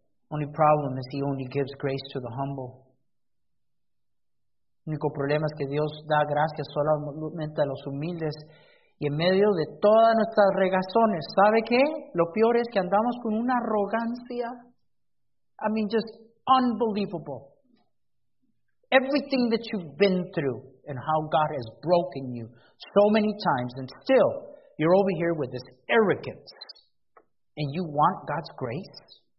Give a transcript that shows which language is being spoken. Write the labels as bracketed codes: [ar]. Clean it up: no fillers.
[en] Only problem is He only gives grace to the humble. [es] El único problema es que Dios da gracia solamente a los humildes. Y en medio de todas nuestras regazones, ¿sabe qué? Lo peor es que andamos con una arrogancia. [en] I mean, just unbelievable. Everything that you've been through and how God has broken you so many times, and still you're over here with this arrogance and you want God's grace.